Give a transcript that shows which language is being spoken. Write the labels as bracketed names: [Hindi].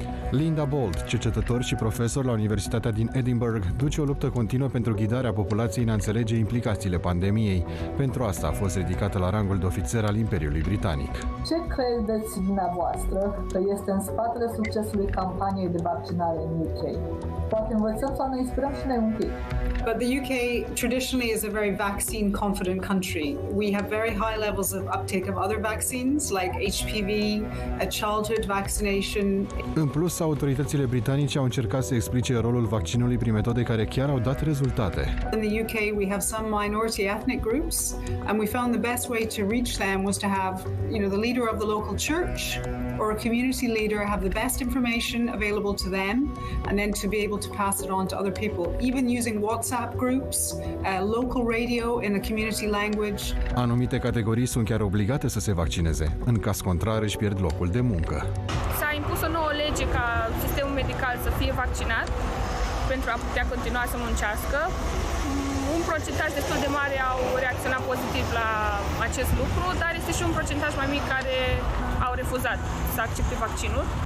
[Romanian] Linda Bolt, cercetător și profesor la Universitatea din Edinburgh, duce o luptă continuă pentru ghidarea populației în a înțelege implicațiile pandemiei. Pentru asta a fost ridicată la rangul de ofițer al Imperiului Britanic. Ce credeți dumneavoastră că este în spatele succesului campaniei de vaccinare în UK? Poate învățăm sau ne inspirăm și noi un pic. [English] But the UK traditionally is a very vaccine confident country. We have very high levels of uptake of other vaccines like HPV, a childhood vaccination. [Romanian] În plus, autoritățile britanice au încercat să explice rolul vaccinului prin metode care chiar au dat rezultate. [English] In the UK we have some minority ethnic groups and we found the best way to reach them was to have, you know, the leader of the local church or a community leader have the best information available to them and then to be able to pass it on to other people, even using WhatsApp groups, local radio in a community language. [Romanian] Anumite categorii sunt chiar obligate să se vaccineze. În caz contrar, își pierd locul de muncă. S-a impus o nouă lege ca sistemul medical să fie vaccinat pentru a putea continua să muncească. Un procentaj destul de mare au reacționat pozitiv la acest lucru, dar este și un procentaj mai mic care au refuzat să accepte vaccinul.